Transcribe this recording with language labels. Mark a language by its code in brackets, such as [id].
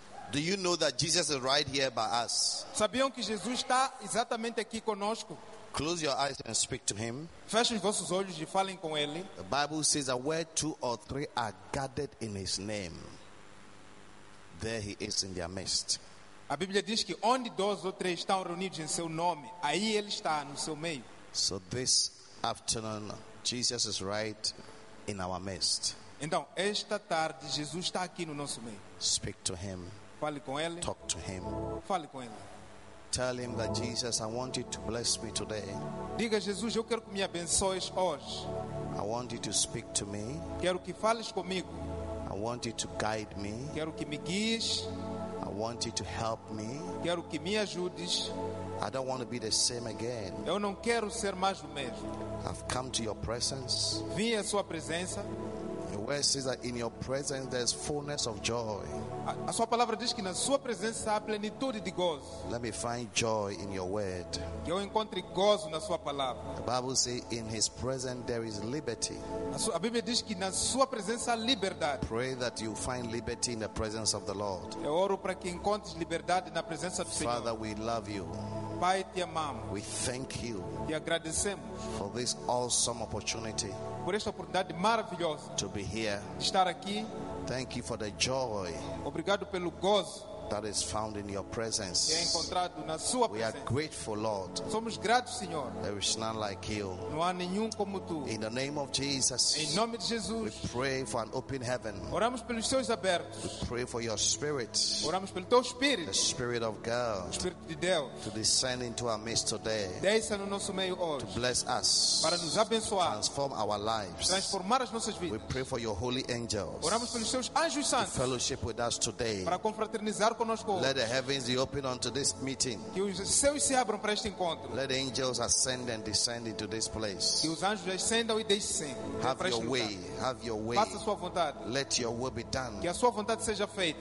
[en] Do you know that Jesus is right here by us? [pt] Sabiam que Jesus está exatamente aqui conosco? [en] Close your eyes and speak to him. [pt] Fechem vossos olhos e falem com ele. [en] The Bible says that where two or three are gathered in his name, there he is in their midst. [pt] A Bíblia diz que onde dois ou três estão reunidos em seu nome, aí ele está no seu meio. [en] So this afternoon, Jesus is right in our midst. [pt] Então, esta tarde Jesus está aqui no nosso meio. [en] Speak to him. [pt] Fale com ele. [en] Talk to him. [pt] Fale com ele. [en] Tell him that Jesus, I want you to bless me today. [pt] Diga Jesus, eu quero que me abençoes hoje. [en] I want you to speak to me. [pt] Quero que fales comigo. [en] I want you to guide me. [pt] Quero que me guies. [en] I want you to help me. [pt] Quero que me ajudes. [en] I don't want to be the same again. [pt] Eu não quero ser mais o mesmo. [en] I've come to your presence. [pt] Vim à sua presença. [en] Your word says that in your presence there's fullness of joy. [pt] A sua palavra diz que na sua presença há plenitude de gozo. [en] Let me find joy in your word. [pt] Que eu encontre gozo na sua palavra. [en] The Bible says in his presence there is liberty. [pt] A Bíblia diz que na sua presença há liberdade. [en] Pray that you find liberty in the presence of the Lord. [pt] Eu oro para que encontres liberdade na presença do Senhor. [en] Father, we love you. [pt] Pai, te amamos. [en] We thank you. [pt] Te agradecemos. [en] For this awesome opportunity. [pt] Por esta oportunidade maravilhosa. [en] To be here. [pt] De estar aqui. [en] Thank you for the joy. [pt] Obrigado pelo gozo. [en] That is found in your presence. [pt] Que é encontrado na sua presença. [en] We are grateful, Lord. [pt] Somos gratos, Senhor. [en] There is none like you. [pt] Não há nenhum como tu. [en] In the name of Jesus. [pt] Em nome de Jesus. [en] We pray for an open heaven. [pt] Oramos pelos céus abertos. [en] We pray for your spirit. [pt] Oramos pelo teu espírito. [en] The spirit of God. [pt] O espírito de Deus. [en] To descend into our midst today. [pt] Desça no nosso meio hoje. [en] To bless us. [pt] Para nos abençoar. [en] Transform our lives. [pt] Transformar as nossas vidas. [en] We pray for your holy angels. [pt] Oramos pelos seus anjos santos. [en] To fellowship with us today. [pt] Para confraternizar. [en] Let the heavens be open unto this meeting. [pt] Que os céus se abram para este encontro. [en] Let the angels ascend and descend into this place. [pt] Que os anjos ascendam e descendam. [en] Have your way. Have your way. [pt] Faça a sua vontade. [en] Let your will be done. [pt] Que a sua vontade seja feita.